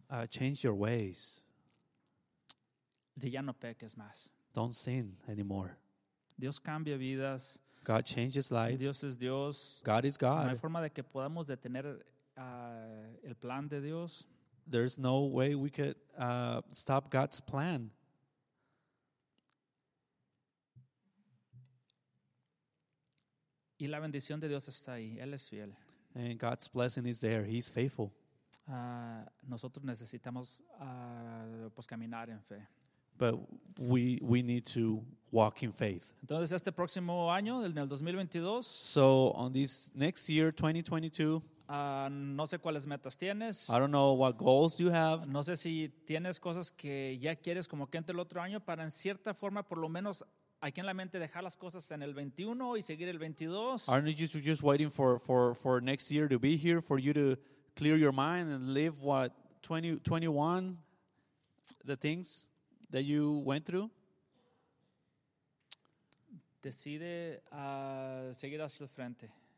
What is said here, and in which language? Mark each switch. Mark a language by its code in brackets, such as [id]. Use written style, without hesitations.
[en] Change your ways. [es] Si ya no peques más. [en] Don't sin anymore. [es] Dios cambia vidas. [en] God changes lives. [es] Dios es Dios. [en] God is God. [es] No hay forma de que podamos detener el plan de Dios. [en] There's no way we could stop God's plan. [es] Y la bendición de Dios está ahí. Él es fiel. [en] And God's blessing is there. He's faithful. [es] Nosotros necesitamos pues caminar en fe. [en] But we need to walk in faith. [es] Entonces este próximo año, en el 2022. [en] So on this next year, 2022. [es] No sé cuáles metas tienes. [en] I don't know what goals you have. [es] No sé si tienes cosas que ya quieres como que entre el otro año para en cierta forma por lo menos aquí en la mente dejar las cosas en el 21 y seguir el 22. [en] Aren't you just waiting for next year to be here for you to clear your mind and live what 2021 the things that you went through? [es] Decide seguir hacia el frente.